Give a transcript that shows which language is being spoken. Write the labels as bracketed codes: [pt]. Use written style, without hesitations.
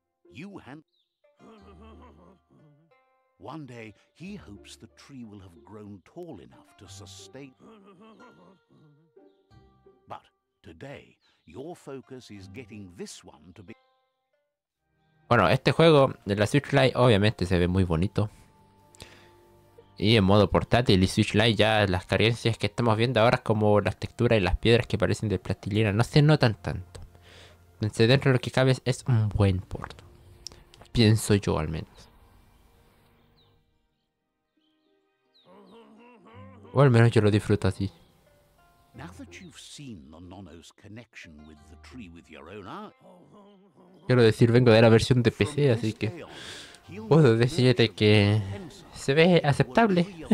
[en] You han- One day, he hopes the tree will have grown tall enough to sustain. But today, Your focus is getting this one to be. [es] Bueno, este juego de la Switch Lite obviamente se ve muy bonito. Y en modo portátil y Switch Lite ya las carencias que estamos viendo ahora, como las texturas y las piedras que parecen de plastilina, no se notan tanto. Entonces dentro de lo que cabe es un buen port. Pienso yo al menos. O al menos yo lo disfruto así. [en] Now that you've seen the Nono's connection with the tree with your own eye. [es] Quiero decir, vengo de la versión de PC, así que puedo decirte que se ve aceptable.